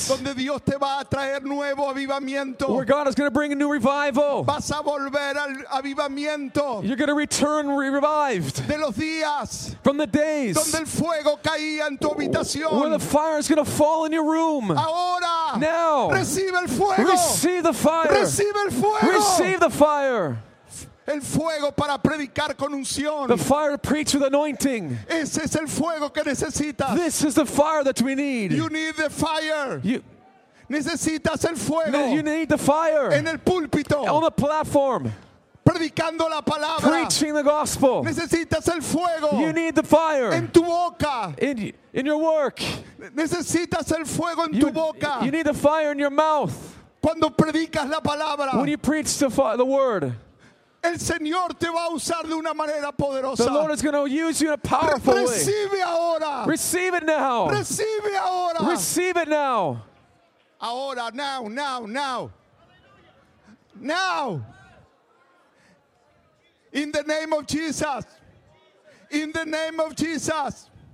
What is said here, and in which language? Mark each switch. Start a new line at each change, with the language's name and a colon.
Spanish: Donde Dios te va a traer nuevo avivamiento.
English: Where God is going to bring a new revival.
Spanish: Vas a volver al avivamiento.
English: You're going to return revived.
Spanish: De los días.
English: From the days.
Spanish: Donde el fuego caía en tu habitación.
English: Where the fire is going to fall in your room.
Spanish: Ahora.
English: Now.
Spanish: Recibe el fuego.
English: Receive the fire.
Spanish: Recibe el fuego.
English: Receive the fire.
Spanish: El fuego para predicar con unción.
English: The fire to preach with anointing.
Spanish: Ese es el fuego que necesitas.
English: This is the fire that we need. You need the fire.
Spanish: Necesitas el fuego.
English: You need the fire.
Spanish: En el púlpito.
English: On the platform.
Spanish: Predicando la palabra.
English: Preaching the gospel.
Spanish: Necesitas el fuego.
English: You need the fire.
Spanish: En tu boca.
English: In your work.
Spanish: Necesitas el fuego en tu boca.
English: You need the fire in your mouth.
Spanish: Cuando predicas la palabra.
English: When you preach the word.
Spanish: El Señor te va a usar de una manera poderosa.
English: The Lord is going to use you in a powerful way.
Spanish: Recibe ahora.
English: Receive it now.
Spanish: Recibe ahora.
English: Receive it now. Ahora, now, now, now. Hallelujah. Now. In the name of Jesus. In the name of Jesus.